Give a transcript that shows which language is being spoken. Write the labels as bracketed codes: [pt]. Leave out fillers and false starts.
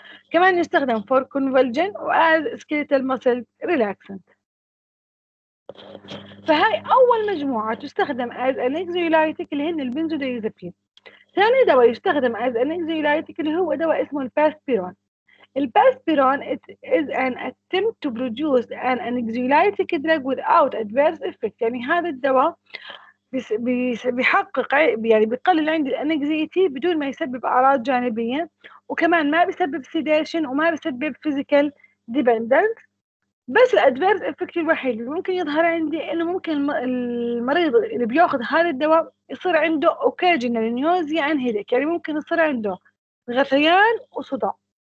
[en] كمان يستخدم for convulsion was skeletal muscle relaxant. [ar] فهي اول مجموعه تستخدم از انكزايتيك اللي هن البنزوديازيبين. ثاني دواء يستخدم [en] as an anxiolytic [ar] اللي هو دواء اسمه الباسبيرون. [en] الباسبيرون it is an attempt to produce an anxiolytic drug without adverse effect. [ar] يعني هذا الدواء بيحقق يعني بيقلل عندي الانكزيتي بدون ما يسبب أعراض جانبية، وكمان ما بيسبب sedation وما بيسبب [en] physical dependence. [ar] بس الادفيرس افكت الوحيد اللي ممكن يظهر عندي انه ممكن المريض اللي بياخذ هذا الدواء يصير عنده اوكاجينال نيوزيا ان هيك، يعني ممكن يصير عنده غثيان وصداع.